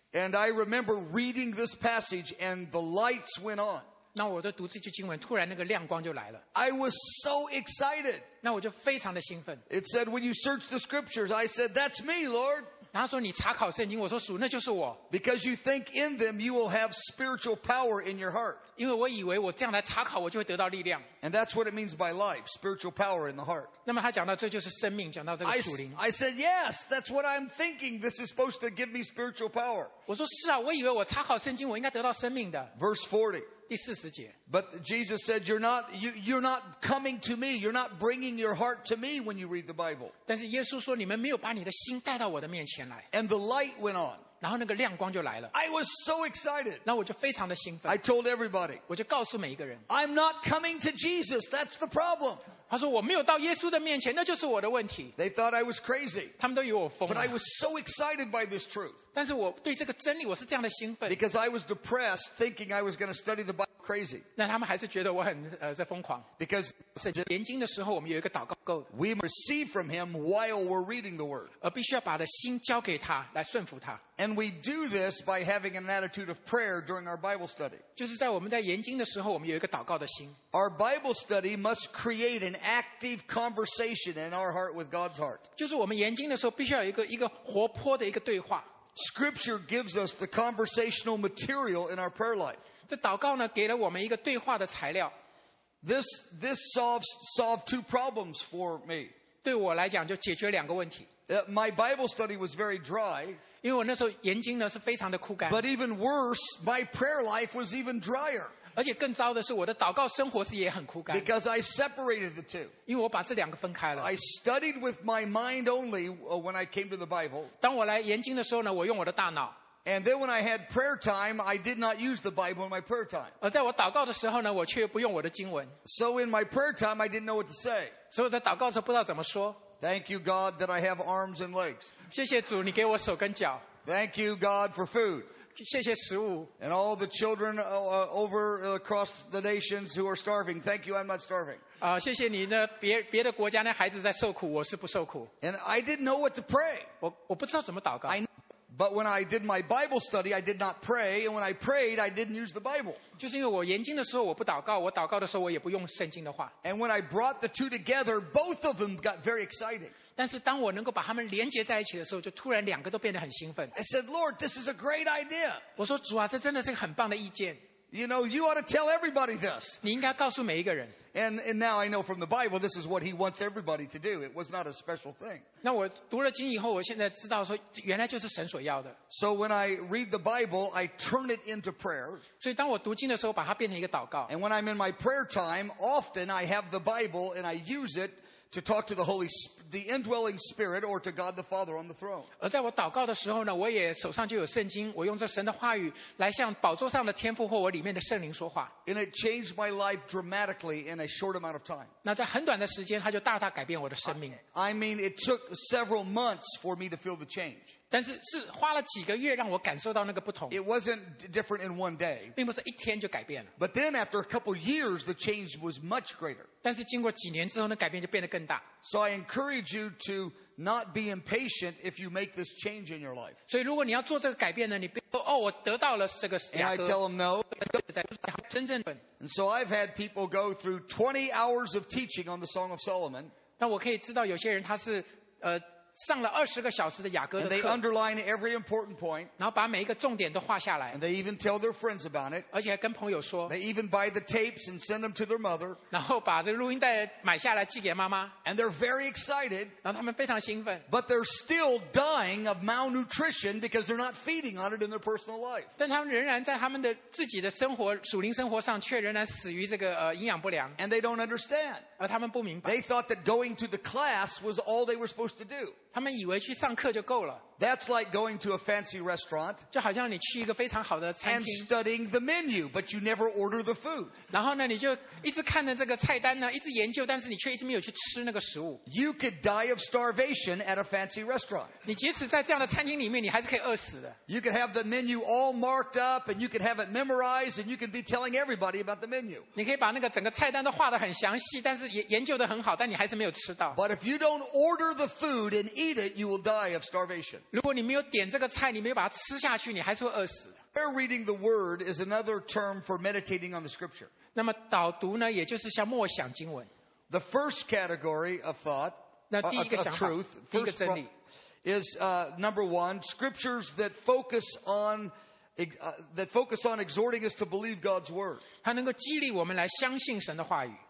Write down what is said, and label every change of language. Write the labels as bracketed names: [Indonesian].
[English] and I remember reading this passage and the lights went on [Chinese] 那我就读这句经文突然那个亮光就来了 [English] I was so excited [Chinese] 那我就非常的兴奋 [English] It said when you search the scriptures I said that's me Lord [Chinese] 然后说你查考圣经我说属那就是我 [English] Because you think in them you will have spiritual power in your heart [Chinese] 因为我以为我这样来查考我就会得到力量 [English] And that's what it means by life spiritual power in the heart [Chinese] 那么他讲到这就是生命讲到这个属灵 [English] I said yes that's what I'm thinking this is supposed to give me spiritual power [Chinese] 我说是啊我以为我查考圣经我应该得到生命的 [English] Verse 40 [Chinese] 第四十节 [English] But Jesus said, you're not coming to me. You're not bringing your heart to me when you read the Bible. [Chinese] 但是耶稣说，你们没有把你的心带到我的面前来。 [English] And the light went on. [Chinese] 然后那个亮光就来了。 [English] I was so excited. [Chinese] 那我就非常的兴奋。 [English] I told everybody. [Chinese] 我就告诉每一个人。 [English] I'm not coming to Jesus. That's the problem. [Chinese] 他说我没有到耶稣的面前，那就是我的问题。 [English] They thought I was crazy. [Chinese] 他们都以为我疯了。 [English] But I was so excited by this truth. [Chinese] 但是我对这个真理我是这样的兴奋。 [English] Because I was depressed, thinking I was going to study the Bible crazy. [Chinese] 那他们还是觉得我很在疯狂。 [English] Because [Chinese] 研经的时候，我们有一个祷告够的。 [English] We receive from him while we're reading the word. [Chinese] 而必须要把的心交给他，来顺服他。 [English] And we do this by having an attitude of prayer during our Bible study. [Chinese] 就是在我们在研经的时候，我们有一个祷告的心。 [English] Our Bible study must create an active conversation in our heart with God's heart. [Chinese] 就是我们研经的时候，必须要有一个活泼的一个对话。 [English] Scripture gives us the conversational material in our prayer life. [Chinese] 这祷告呢，给了我们一个对话的材料。 [English] This solved two problems for me. [Chinese] 对我来讲，就解决两个问题。 [English] My Bible study was very dry. [Chinese] 因为我那时候研经呢是非常的枯干。 [English] But even worse, my prayer life was even drier. [Chinese] 而且更糟的是，我的祷告生活是也很枯干。 [English] Because I separated the two. [Chinese] 因为我把这两个分开了。 [English] I studied with my mind only when I came to the Bible. [Chinese] 当我来研经的时候呢，我用我的大脑。 [English] And then when I had prayer time, I did not use the Bible in my prayer time. [Chinese] 而在我祷告的时候呢，我却不用我的经文。 [English] So in my prayer time, I didn't know what to say. [Chinese] 所以我在祷告的时候不知道怎么说。 [English] Thank you, God, that I have arms and legs. [Chinese] 谢谢主，你给我手跟脚。 [English] Thank you, God, for food. [Chinese] 谢谢食物。 [English] And all the children over across the nations who are starving. Thank you, I'm not starving. [Chinese] 谢谢你呢，别的国家的孩子在受苦，我是不受苦。 [English] And I didn't know what to pray. [Chinese] 我不知道怎么祷告。 [English] But when I did my Bible study, I did not pray, and when I prayed, I didn't use the Bible. [Chinese] 就是因为我研经的时候我不祷告，我祷告的时候我也不用圣经的话。 [English] And when I brought the two together, both of them got very exciting. [Chinese] 但是当我能够把它们连接在一起的时候，就突然两个都变得很兴奋。 [English] I said, Lord, this is a great idea. [Chinese] 我说主啊，这真的是很棒的意见。 [English] You know, you ought to tell everybody this. [Chinese] 你应该告诉每一个人。 [English] And now I know from the Bible, this is what he wants everybody to do. It was not a special thing. [Chinese] 那我读了经以后，我现在知道说，原来就是神所要的。 [English] So when I read the Bible, I turn it into prayer. [Chinese] 所以当我读经的时候，把它变成一个祷告。 [English] And when I'm in my prayer time, often I have the Bible and I use it to talk to the indwelling spirit or to God the Father on the throne. [Chinese] 而在我祷告的时候呢，我也手上就有圣经，我用这神的话语来向宝座上的天父或我里面的圣灵说话。 [English] And it changed my life dramatically in a short amount of time. [Chinese] 那在很短的时间，它就大大改变我的生命。 [English] I mean, it took several months for me to feel the change. [Chinese] 但是是花了几个月让我感受到那个不同。 [English] It wasn't different in one day. [Chinese] 并不是一天就改变了。 [English] But then after a couple years, the change was much greater. [Chinese] 但是经过几年之后，那改变就变得更大。 [English] So I encourage you to not be impatient if you make this change in your life. [Chinese] 所以如果你要做这个改变呢，你别说哦，我得到了这个雅各。 [English] And I tell them no. [Chinese] 真正的。 [English] And so I've had people go through 20 hours of teaching on the Song of Solomon. [Chinese] 那我可以知道有些人他是上了二十个小时的雅各的课。 [English] And they underline every important point. [Chinese] 然后把每一个重点都画下来。 [English] And they even tell their friends about it. [Chinese] 而且还跟朋友说。 [English] They even buy the tapes and send them to their mother. [Chinese] 然后把这个录音带买下来寄给妈妈。 [English] And they're very excited. [Chinese] 然后他们非常兴奋。 [English] But they're still dying of malnutrition because they're not feeding on it in their personal life. [Chinese] 但他们仍然在他们的自己的生活属灵生活上却仍然死于这个营养不良。 [English] And they don't understand. [Chinese] 而他们不明白。 [English] They thought that going to the class was all they were supposed to do. [Chinese] 他们以为去上课就够了。 [English] That's like going to a fancy restaurant. [Chinese] 就好像你去一个非常好的餐厅。 [English] And studying the menu, but you never order the food. [Chinese] 然后呢，你就一直看着这个菜单呢，一直研究，但是你却一直没有去吃那个食物。 [English] You could die of starvation at a fancy restaurant. [Chinese] 你即使在这样的餐厅里面，你还是可以饿死的。 [English] You could have the menu all marked up, and you could have it memorized, and you could be telling everybody about the menu. [Chinese] 你可以把那个整个菜单都画得很详细，但是研究得很好，但你还是没有吃到。 [English] But if you don't order the food and eat it, you will die of starvation. [Chinese] 如果你没有点这个菜，你没有把它吃下去，你还是会饿死。 [English] Prayer reading the word is another term for meditating on the scripture. [Chinese] 那么导读呢，也就是像默想经文。 [English] The first category of thought, [Chinese] 那第一个想法 [English] truth, [Chinese] 第一个真理 [English] is number one, scriptures that focus on exhorting us to believe God's word. [Chinese] 它能够激励我们来相信神的话语。